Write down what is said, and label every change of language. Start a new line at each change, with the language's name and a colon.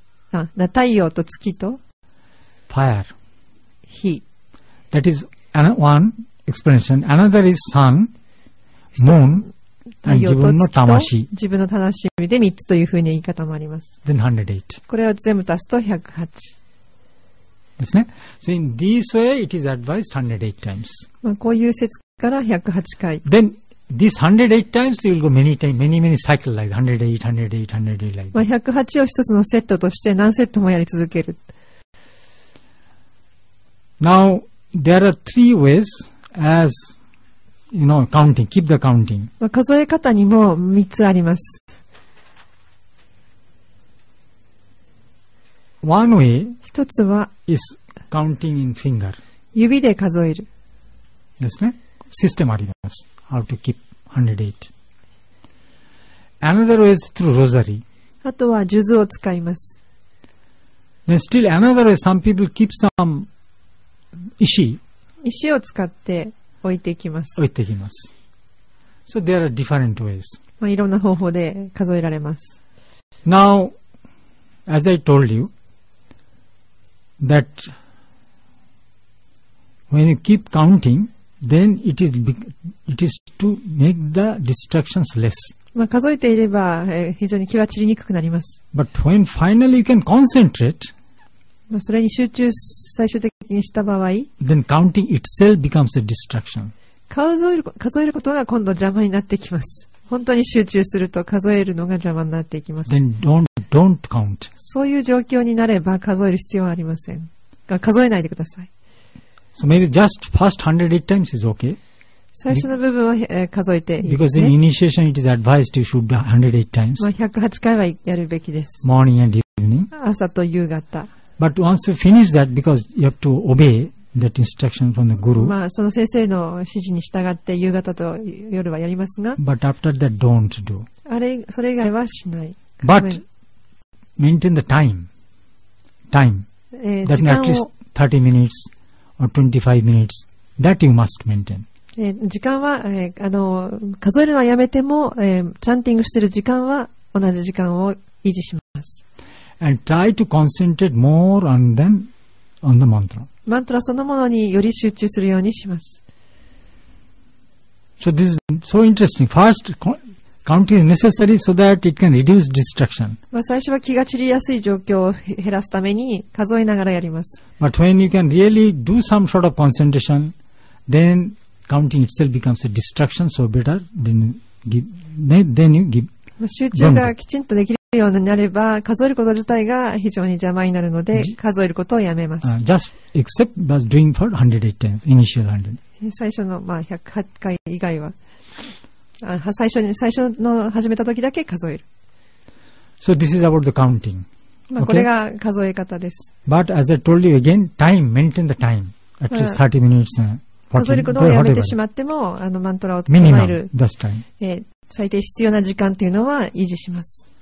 Japanese: あ、太陽と月と。
English: Fire.
Japanese: 火。
English: That is one explanation. Another is sun, moon.
Japanese: 自分の魂、自分の魂で3つというふうに言い方もあります。
English: Then 108.
Japanese: これを全部足すと108 ですね。
English: So in this way, it is advised 108 times.
Japanese: まあこういう説から108回。
English: Then this 108 times, you will go many times, many many cycle like 108, 108, 108 like.
Japanese: まあ108を一つのセットとして何セットもやり続ける。
English: Now there are three ways as. You know, counting. Keep the counting.
Japanese: 数え方にも3つあります。
English: One way
Japanese: 一つは
English: is counting in finger.
Japanese: 指で数える。ですね。システムあります。
English: How to keep 108. Another way is through rosary.
Japanese: あとは数珠を使います。
English: Then still another way, some people keep some 石。
Japanese: 石を使って置いていきます。置いていきます。
English: So there are different ways.
Japanese: まあいろんな方法で数えられます。
English: Now, as I told you, that when you keep counting, then it is to make the distractions less.
Japanese: まあ数えていれば非常に気は散りにくくなります。
English: But when finally you can concentrate,
Japanese: まあ、それに集中最終的にした場合
English: Then counting itself becomes a distraction.
Japanese: 数えることが今度邪魔になってきます。本当に集中すると数えるのが邪魔になっていきます。
English: Then don't count.
Japanese: そういう状況になれば数える必要はありません。数えないでください。
English: So maybe just first 108 times is okay.
Japanese: 最初の部分は数えていいですね。
English: Because in initiation it is advised you should 108 times.
Japanese: まあ108回はやるべきです。
English: Morning and evening.
Japanese: 朝と夕方。
English: But once you finish that, because you have to obey that instruction from the guru.
Japanese: まあその先生の指示に従って夕方と夜はやりますが。
English: But after that, don't do.
Japanese: あれそれ以外はしない。
English: But maintain the time. Time. That means at least 30 minutes or 25 minutes. That you must maintain.
Japanese: 時間は数えるのはやめても、チャンティングしてる時間は同じ時間を維持します。
English: And try to concentrate more on them, on the mantra.
Japanese: Mantra そのものにより集中するようにします。
English: So this is so interesting. First, counting is necessary so that it can reduce distraction.
Japanese: まあ最初は気が散りやすい状況を減らすために数えながらやります。
English: But when you can really do some sort of concentration, then counting itself becomes a distraction. So better then you give.
Japanese: 集中がきちんとできる。ようになれば数えること自体が非常に邪魔になるので数えることをやめます。
English: Just except doing for 108 times initial 100.
Japanese: 最初の、まあ、108回以外は最初の始めた時だけ数える。
English: So this is about the counting、
Japanese: まあ、これが数え方です。
English: But as I told you again, time, maintain the time at least 30 minutes
Japanese: 数えることをやめてしまってもマントラを唱える最低必要な時間というのは維持します。